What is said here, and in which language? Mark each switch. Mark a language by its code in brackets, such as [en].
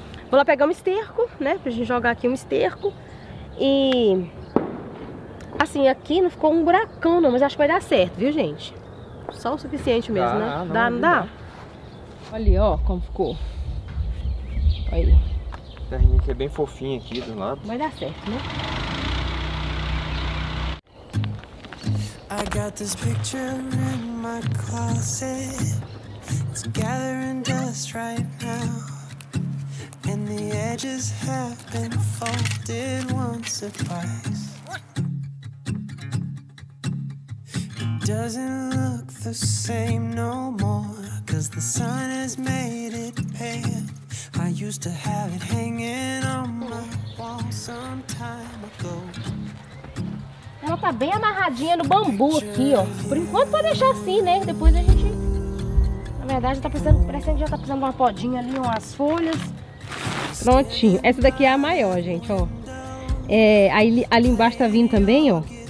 [pt] Vou lá pegar um esterco, né? Pra gente jogar aqui um esterco. E assim, aqui não ficou um buracão não, mas acho que vai dar certo, viu, gente? Só o suficiente mesmo, dá, né? Dá, não dá? Olha ali, ó, como ficou. Aí. A terrinha aqui é bem fofinha aqui dos lados. Vai dar certo, né? [en] I got this picture in my closet. It's gathering dust right now. And the edges have been folded once or twice. It doesn't look the same no more, 'cause the sun has made it pale. I used to have it hanging on my wall some time ago. [pt] Ela tá bem amarradinha no bambu aqui, ó. Por enquanto pode deixar assim, né? Depois a gente... Na verdade, parece que já tá precisando de uma podinha ali, umas folhas. Prontinho. Essa daqui é a maior, gente, ó. Aí ali embaixo tá vindo também, ó.